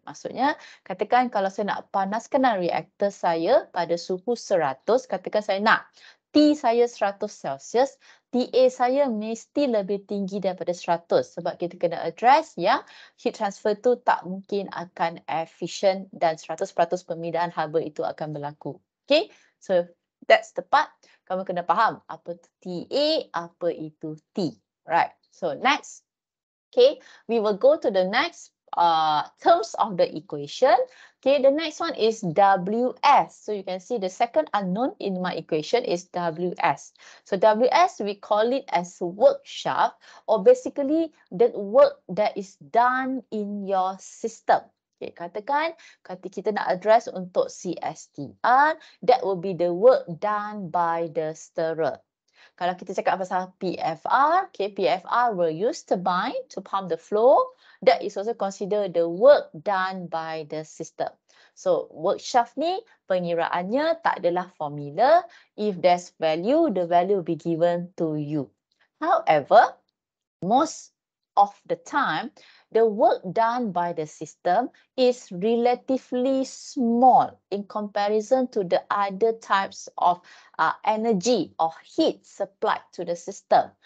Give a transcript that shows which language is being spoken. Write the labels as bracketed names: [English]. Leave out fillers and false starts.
[Malay] Maksudnya, katakan kalau saya nak panaskan reaktor saya pada suhu 100, katakan saya nak T saya 100 Celsius, TA saya mesti lebih tinggi daripada 100 sebab kita kena address yang heat transfer tu tak mungkin akan efficient dan 100% pemindahan haba itu akan berlaku. [English] Okay, so that's the part. [Malay] Kamu kena faham apa itu TA, apa itu T. [English] Right, so next. Okay, we will go to the next terms of the equation. Okay, the next one is WS. So you can see the second unknown in my equation is WS. So WS, we call it as work shaft, or basically the work that is done in your system. Okay, [Malay] katakan, kata kita nak address untuk [English] CSTR, that will be the work done by the stirrer. [Malay] Kalau kita cakap pasal PFR, [English] okay, PFR will use turbine to pump the flow. That is also considered the work done by the system. [Malay] So, work shaft ni pengiraannya tak adalah formula. [English] If there's value, the value will be given to you. However, most of the time, the work done by the system is relatively small in comparison to the other types of energy or heat supplied to the system.